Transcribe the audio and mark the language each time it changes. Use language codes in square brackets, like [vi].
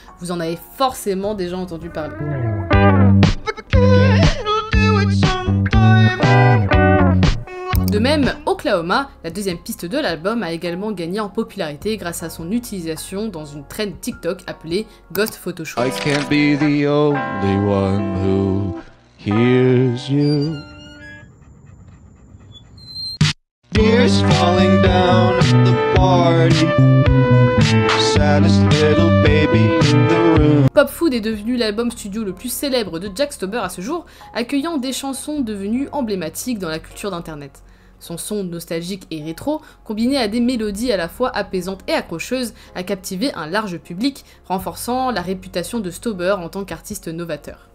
[fr] Vous en avez forcément déjà entendu parler. De même, Oklahoma, la deuxième piste de l'album, a également gagné en popularité grâce à son utilisation dans une trend TikTok appelée Ghost Photoshop. [en] I can't be the only one who hears you. Tears falling down at the party. Saddest little baby in the room. [fr] Pop Food est devenu l'album studio le plus célèbre de Jack Stauber à ce jour, accueillant des chansons devenues emblématiques dans la culture d'internet. Son son nostalgique et rétro, combiné à des mélodies à la fois apaisantes et accrocheuses, a captivé un large public, renforçant la réputation de Stauber en tant qu'artiste novateur.